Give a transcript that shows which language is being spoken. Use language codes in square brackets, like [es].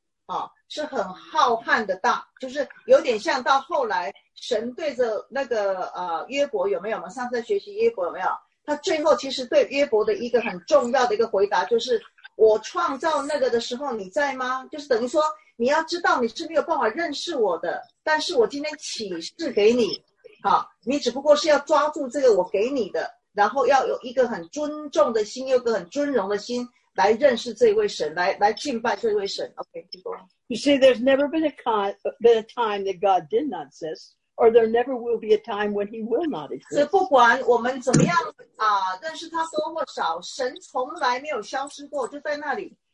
[zh] 啊、是很浩瀚的大就是有点像到后来神对着那个、约伯有没有我们上次在学习约伯有没有他最后其实对约伯的一个很重要的一个回答就是我创造那个的时候你在吗就是等于说你要知道你是没有办法认识我的但是我今天启示给你好，你只不过是要抓住这个我给你的，然后要有一个很尊重的心，有一个很尊荣的心来认识这位神，来敬拜这位神。 [en] OK, keep going. You see, there's never been a time that God did not exist, or there never will be a time when He will not exist. [zh] 所以不管我们怎么样啊，认识他多或少，神从来没有消失过，就在那里。